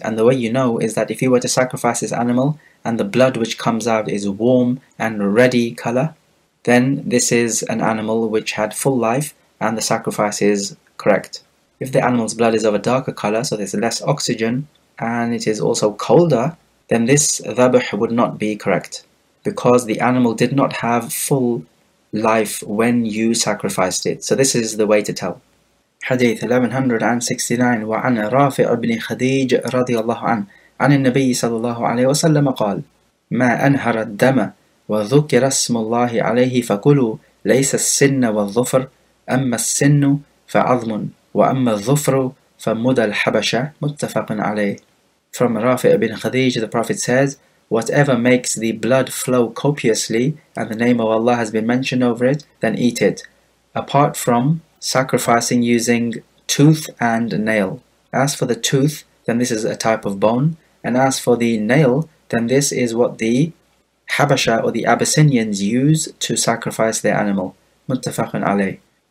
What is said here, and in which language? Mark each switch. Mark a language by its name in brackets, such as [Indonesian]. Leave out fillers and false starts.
[English] And the way you know is that if you were to sacrifice this animal and the blood which comes out is warm and ready color, then this is an animal which had full life and the sacrifice is correct. If the animal's blood is of a darker color, so there's less oxygen and it is also colder, then this dhabh would not be correct because the animal did not have full life when you sacrificed it. So this is the way to tell. Hadith 1169 [Arabic] وعن رافع بن خديج رضي الله عنه عن النبي صلى الله عليه وسلم قال ما أنهر الدم وذكر اسم الله عليه فكلوا ليس السن والظفر أما السن فعظم وأما الظفر فمدى الحبشة متفق عليه. [English] From رافع بن خديج, the Prophet says, whatever makes the blood flow copiously and the name of Allah has been mentioned over it, then eat it, apart from sacrificing using tooth and nail. As for the tooth, then this is a type of bone, and as for the nail, then this is what the Habasha or the Abyssinians use to sacrifice their animal. Muttafaqun alayh.